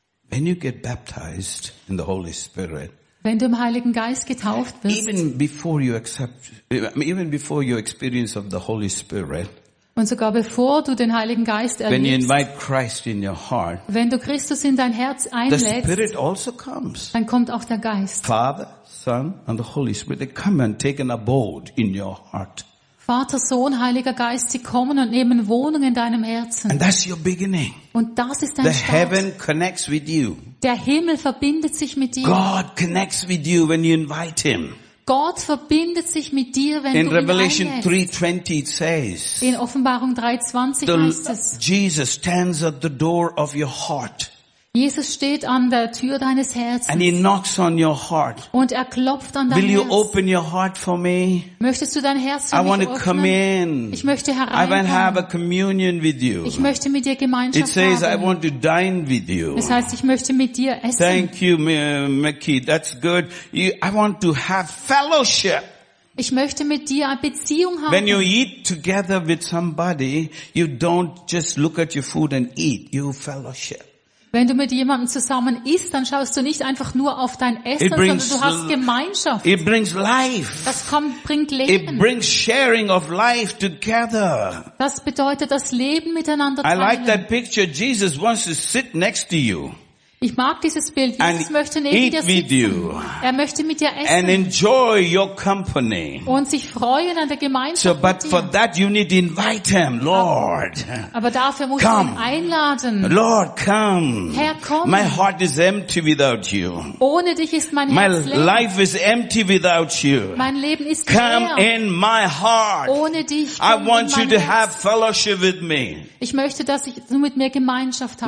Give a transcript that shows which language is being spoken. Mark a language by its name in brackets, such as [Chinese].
[English] When you get baptized in the Holy Spirit, [German] wenn du im Heiligen Geist getauft wirst, [English] even before you accept, even before your experience of the Holy Spirit. [German] Und sogar bevor du den Heiligen Geist erlebst, [English] when you invite Christ in your heart, [German] wenn du Christus in dein Herz einlädst, [English] the Spirit also comes. [German] Dann kommt auch der Geist. [English] Father, Son, and the Holy Spirit, they come and take an abode in your heart. [German] Vater, Sohn, Heiliger Geist, sie kommen und nehmen Wohnung in deinem Herzen. [English] And that's your beginning. [German] Und das ist dein [English] the [German] Start. [English] The heaven connects with you. [German] Der Himmel verbindet sich mit dir. [English] God connects with you when you invite him. [German] Gott verbindet sich mit dir, wenn [English] in [German] du [English] Revelation [German] ihn [English] 3:20 it says, [German] in Offenbarung 3:20 heißt es, [English] Jesus stands at the door of your heart. [German] Jesus steht an der Tür deines Herzens. [English] And he knocks on your heart. [German] Und er klopft an dein [English] Will [German] Herz. [English] You open your heart for me? [German] Möchtest du dein Herz für [English] I [German] mich öffnen? [English] Come in. [German] Ich möchte hereinkommen. [English] I want to have a communion with you. [German] Ich möchte mit dir Gemeinschaft [English] it says, [German] haben. [English] I want to dine with you. [German] Das heißt, ich möchte mit dir essen. [English] Thank you, Mickey. That's good. I want to have fellowship. [German] Ich möchte mit dir eine Beziehung haben. [English] When you eat together with somebody, you don't just look at your food and eat. You fellowship. [German] Wenn du mit jemandem zusammen isst, dann schaust du nicht einfach nur auf dein Essen, [English] brings, [German] sondern du hast Gemeinschaft. [English] It brings life. [German] Das kommt, bringt Leben. [English] It brings sharing of life together. [German] Das bedeutet, das Leben miteinander teilen. [English] I like that picture. Jesus wants to sit next to you. [German] Ich mag dieses Bild. Jesus möchte neben dir sitzen. Er möchte mit dir essen. [English] And enjoy your company. [German] Und sich freuen an der Gemeinschaft. [English] So, but for that you need to invite him, Lord. [German] Aber dafür musst du ihn einladen. [English] Lord, come. [German] Herr, komm. [English] My heart is empty without you. [German] Ohne dich ist mein Herz leer. [English] My life is empty without you. [German] Mein Leben ist leer. [English] Come in my heart. [German] Ohne dich. [English] I want you to have fellowship with me. [German] Ich möchte, dass du mit mir Gemeinschaft hast.